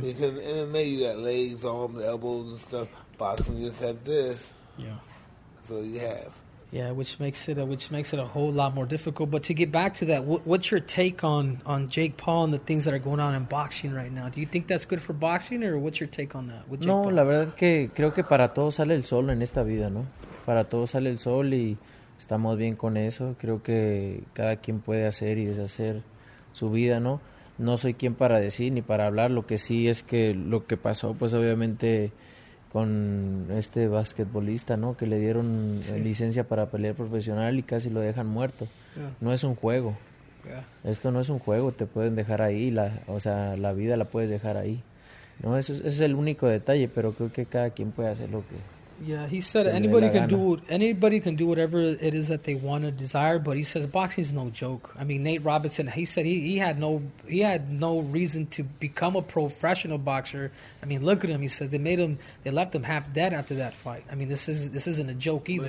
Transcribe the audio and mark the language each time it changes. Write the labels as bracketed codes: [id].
[en] Because in MMA, you got legs, arms, elbows, and stuff. Boxing, you just have this. Yeah. So you have. Yeah, which makes it a whole lot more difficult. But to get back to that, what's your take on Jake Paul and the things that are going on in boxing right now? Do you think that's good for boxing, or what's your take on that? [es] No, la verdad que creo que para todos sale el sol en esta vida, ¿no? Para todos sale el sol y estamos bien con eso. Creo que cada quien puede hacer y deshacer su vida, ¿no? No soy quien para decir ni para hablar. Lo que sí es que lo que pasó, pues obviamente... con este basquetbolista, ¿no? Que le dieron licencia para pelear profesional y casi lo dejan muerto. [en] Yeah. [es] No es un juego. [en] Yeah. [es] Esto no es un juego. Te pueden dejar ahí. La vida la puedes dejar ahí. No, ese es el único detalle, pero creo que cada quien puede hacer lo que... [en] Yeah, he said anybody can do whatever it is that they want to desire, but he says boxing is no joke. I mean, Nate Robinson, he said he had no reason to become a professional boxer. I mean, look at him. He says they left him half dead after that fight. I mean, this isn't a joke either.